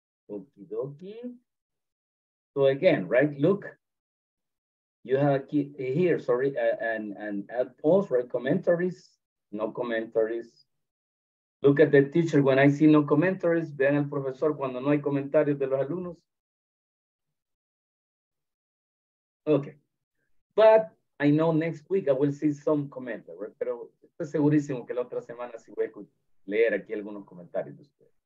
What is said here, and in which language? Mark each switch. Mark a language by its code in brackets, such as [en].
[en] Okie dokie. So again, right, look. You have a key here, sorry, and add post, right? Commentaries, no commentaries. Look at the teacher when I see no commentaries. [es] Vean al profesor cuando no hay comentarios de los alumnos. [en] Okay. But I know next week I will see some commentaries, right? [es] Pero estoy segurísimo que la otra semana sí voy a leer aquí algunos comentarios de ustedes.